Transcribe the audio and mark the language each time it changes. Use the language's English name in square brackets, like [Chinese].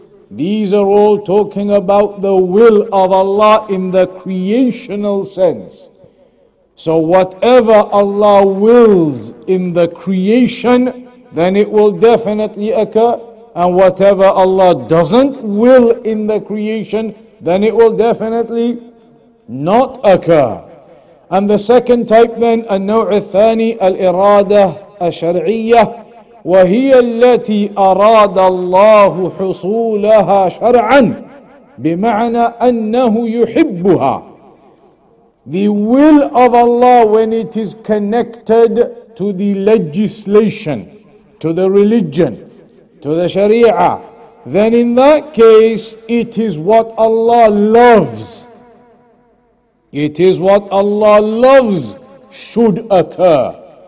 [English] These are all talking about the will of Allah in the creational sense. So whatever Allah wills in the creation, then it will definitely occur. And whatever Allah doesn't will in the creation, then it will definitely not occur. And the second type then, [Arabic] النوع الثاني الإرادة الشرعية وهي التي أراد الله حصولها شرعا بمعنى أنه يحبها. [English] The will of Allah when it is connected to the legislation, to the religion, to the Sharia, then in that case it is what Allah loves. It is what Allah loves should occur.